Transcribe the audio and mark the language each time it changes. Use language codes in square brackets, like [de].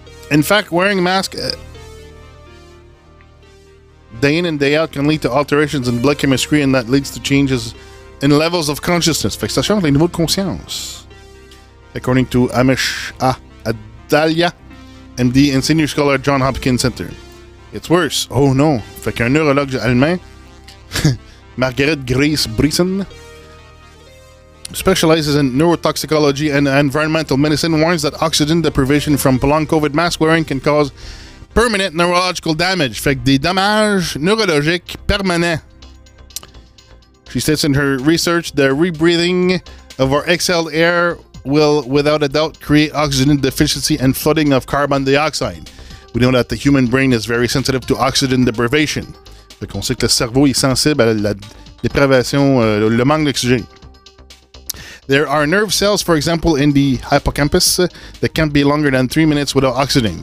[en] In fact, wearing a mask day in and day out can lead to alterations in blood chemistry, and that leads to changes in levels of consciousness. [fr] Fait que ça change les niveaux de conscience. [en] According to Amish Adalia, MD and senior scholar at John Hopkins Center. It's worse. Oh no. [fr] Fait qu'un neurologue allemand, [en] Margaret Grace Breeson, specializes in neurotoxicology and environmental medicine, warns that oxygen deprivation from prolonged COVID mask wearing can cause permanent neurological damage. [fr] Fait que des dommages neurologiques permanents. [en] She states in her research, the rebreathing of our exhaled air will without a doubt create oxygen deficiency and flooding of carbon dioxide. We know that the human brain is very sensitive to oxygen deprivation. [fr] Fait qu'on sait que le cerveau est sensible à la déprivation, le manque d'oxygène. [en] There are nerve cells, for example, in the hippocampus that can't be longer than 3 minutes without oxygen.